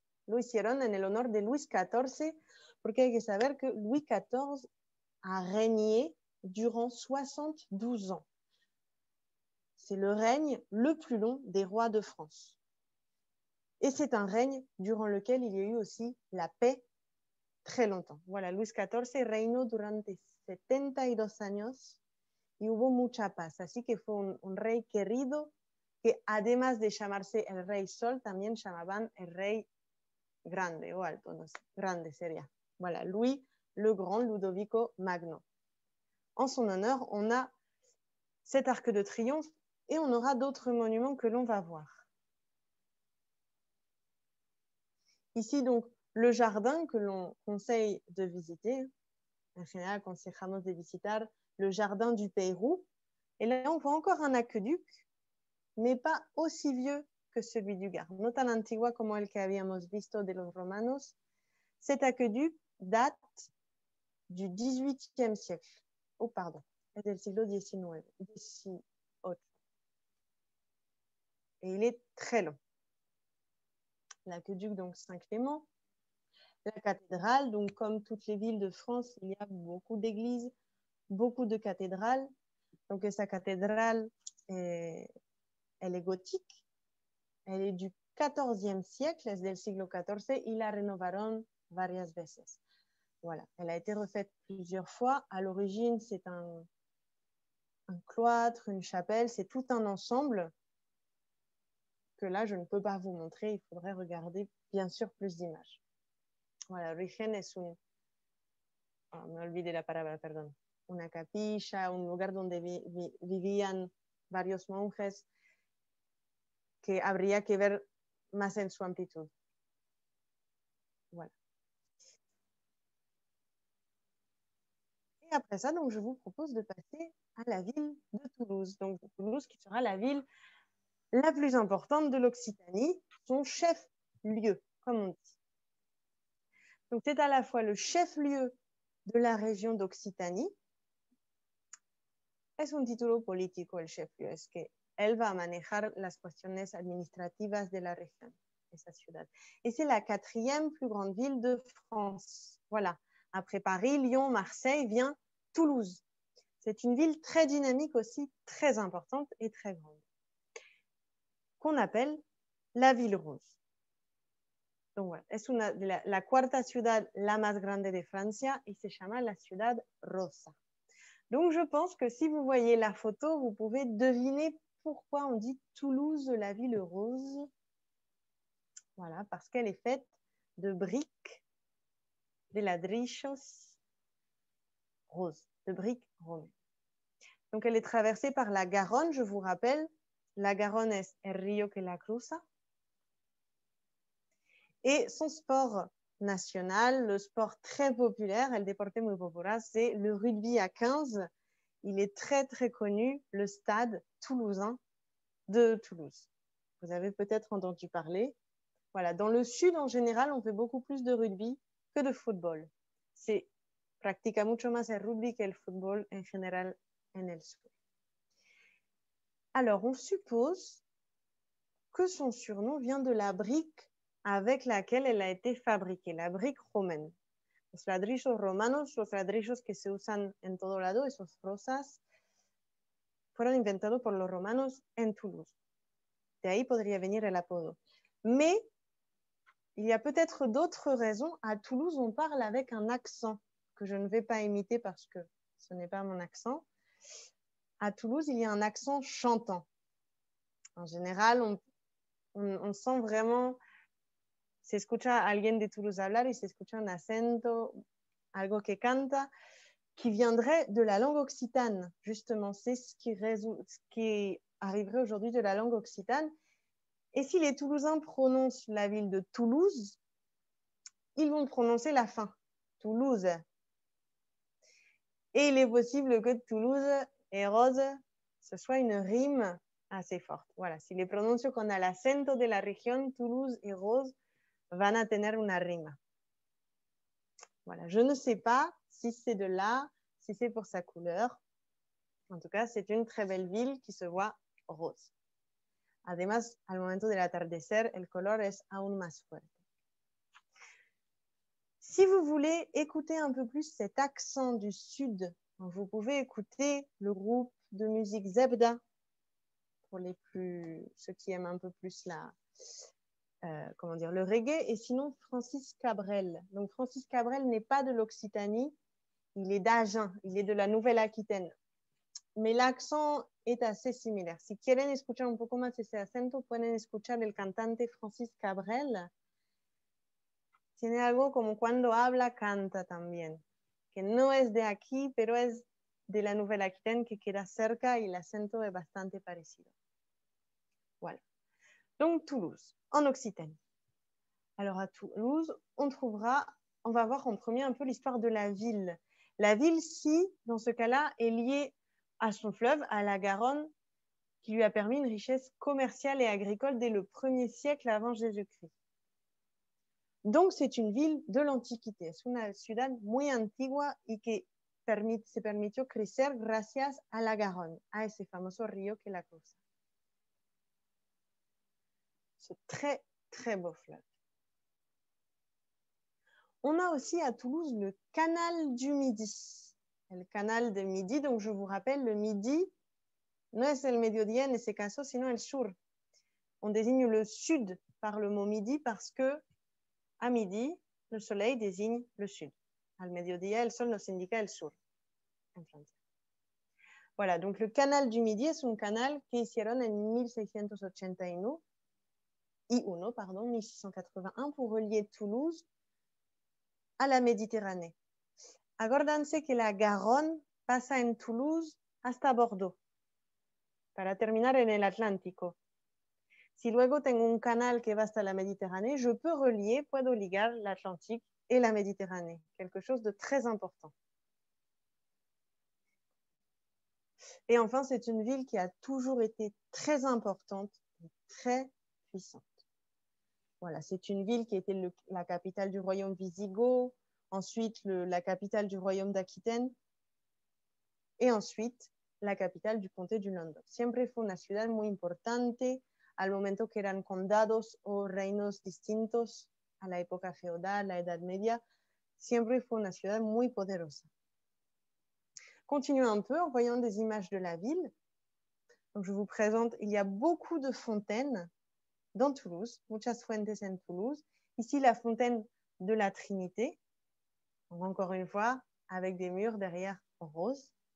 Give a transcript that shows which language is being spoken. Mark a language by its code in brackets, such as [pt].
[es] Lo hicieron en el honor de Louis XIV, porque hay que saber que Louis XIV [fr] a régné durant 72 ans. C'est le règne le plus long des rois de France. Et c'est un règne durant lequel il y a eu aussi la paix très longtemps. [es] Voilà, Luis XIV reinó durante 72 años y hubo mucha paz. Así que fue un rey querido que además de llamarse el rey sol, también llamaban el rey grande o alto, no sé, grande sería. [fr] Voilà, Louis le Grand, Ludovico Magno. En son honneur, on a cet arc de triomphe et on aura d'autres monuments que l'on va voir. Ici, donc, le jardin que l'on conseille de visiter. En général, [es] conseillamos de visitar [fr] le jardin du Pérou. Et là, on voit encore un aqueduc, mais pas aussi vieux que celui du Gard. [es] No tan antigua como el que habíamos visto de los romanos. [fr] Cet aqueduc date du 18e siècle. Oh, pardon. [es] Es del siglo XIX. [fr] Et il est très long. L'aqueduc, donc Saint-Clément. La cathédrale, donc comme toutes les villes de France, il y a beaucoup d'églises, beaucoup de cathédrales. Donc, sa cathédrale, elle est gothique. Elle est du 14e siècle, [es] es del siglo XIV. Y la renovaron varias veces. [fr] Voilà, elle a été refaite plusieurs fois. À l'origine, c'est un cloître, une chapelle, c'est tout un ensemble. Que là, je ne peux pas vous montrer, il faudrait regarder bien sûr plus d'images. Voilà, l'origine est un. Oh, [es] me olvidé [fr] la parole, pardon. [es] Una capilla, un lugar donde vivían varios monjes, que habría que ver más en su amplitud. [fr] Voilà. Et après ça, donc, je vous propose de passer à la ville de Toulouse. Donc, Toulouse qui sera la ville la plus importante de l'Occitanie, son chef-lieu, comme on dit. Donc, c'est à la fois le chef-lieu de la région d'Occitanie. [es] Es un título político el chef-lieu, es que él va a manejar las cuestiones administrativas de la región, de esa ciudad. [fr] Et c'est la quatrième plus grande ville de France. Voilà, après Paris, Lyon, Marseille, vient Toulouse. C'est une ville très dynamique aussi, très importante et très grande, qu'on appelle la ville rose. Donc voilà, [es] es una de la cuarta ciudad la más grande de Francia y se llama la ciudad rosa. [fr] Donc je pense que si vous voyez la photo, vous pouvez deviner pourquoi on dit Toulouse la ville rose. Voilà, parce qu'elle est faite de briques, de [es] ladrillos [fr] roses, de briques roses. Donc elle est traversée par la Garonne, je vous rappelle. La Garonne est [es] el río que la cruza. [fr] Et son sport national, le sport très populaire, [es] el deporte muy popular, [fr] c'est le rugby à 15. il est très, très connu, le stade toulousain de Toulouse. Vous avez peut-être entendu parler. Voilà, dans le sud, en général, on fait beaucoup plus de rugby que de football. C'est [es] practica mucho más el rugby que el fútbol en general en el sur. [fr] Alors, on suppose que son surnom vient de la brique avec laquelle elle a été fabriquée, la brique romaine. [es] Los ladrillos romanos, los ladrillos que se usan en todo lado, esos rosas, fueron inventados por los romanos en Toulouse. De ahí podría venir el apodo. [fr] Mais il y a peut-être d'autres raisons. À Toulouse, on parle avec un accent que je ne vais pas imiter parce que ce n'est pas mon accent. À Toulouse, il y a un accent chantant. En général, on sent vraiment... [es] Se escucha a alguien de Toulouse hablar y se escucha un acento, algo que canta, [fr] qui viendrait de la langue occitane. Justement, c'est ce qui arriverait aujourd'hui de la langue occitane. Et si les Toulousains prononcent la ville de Toulouse, ils vont prononcer la fin, Toulouse. Et il est possible que Toulouse et rose, ce soit une rime assez forte. Voilà, si les prononcions qu'on a l'acento de la région, Toulouse et rose, [es] van a tener una rima. [fr] Voilà, je ne sais pas si c'est de là, si c'est pour sa couleur. En tout cas, c'est une très belle ville qui se voit rose. [es] Además, al momento del atardecer, el color es aún más fuerte. [fr] Si vous voulez écouter un peu plus cet accent du sud, vous pouvez écouter le groupe de musique Zebda, pour ceux qui aiment un peu plus le reggae, et sinon Francis Cabrel. Donc Francis Cabrel n'est pas de l'Occitanie, il est d'Agen, il est de la Nouvelle-Aquitaine. Mais l'accent est assez similaire. [es] Si quieren escuchar un poco más ese acento, pueden escuchar el cantante Francis Cabrel. Tiene algo como cuando habla, canta también. Que no es de aquí, pero es de la Nouvelle-Aquitaine que queda cerca y el acento es bastante parecido. [fr] Voilà. Donc Toulouse, en Occitanie. Alors à Toulouse, on va voir en premier un peu l'histoire de la ville. La ville, si, dans ce cas-là, est liée à son fleuve, à la Garonne, qui lui a permis une richesse commerciale et agricole dès le 1er siècle avant Jésus-Christ. Donc, c'est une ville de l'Antiquité. [es] Es una ciudad muy antigua y que se permitió crecer gracias a la Garonne, a ese famoso río que la cruza. [fr] Ce très, très beau fleuve. On a aussi à Toulouse le canal du Midi. [es] El canal de Midi, [fr] donc je vous rappelle, le Midi, [es] no es el mediodía en ese caso, sino el sur. [fr] On désigne le sud par le mot Midi parce que à midi, le soleil désigne le sud. [es] Al mediodía, el sol nos indica el sur. [fr] Voilà, donc le canal du Midi [es] es un canal que hicieron en 1681 [fr] pour relier Toulouse à la Méditerranée. [es] Acuérdense que la Garonne pasa en Toulouse hasta Bordeaux para terminar en el Atlántico. Si luego tengo un canal que va hasta la Méditerranée, [fr] je peux relier, [es] puedo ligar l'Atlantique et la Méditerranée. [fr] Quelque chose de très important. Et enfin, c'est une ville qui a toujours été très importante et très puissante. Voilà, c'est une ville qui était la capitale du royaume Visigoth, ensuite la capitale du royaume d'Aquitaine et ensuite la capitale du comté du Languedoc. [es] Siempre fue una ciudad muy importante al momento que eran condados o reinos distintos a la época feudal, la Edad Media. Siempre fue una ciudad muy poderosa. [fr] Continuons un peu en voyant des images de la ville. Donc je vous présente, il y a beaucoup de fontaines dans Toulouse, [es] muchas fuentes en Toulouse. [fr] Ici, la fontaine de la Trinité. Encore une fois, avec des murs derrière roses.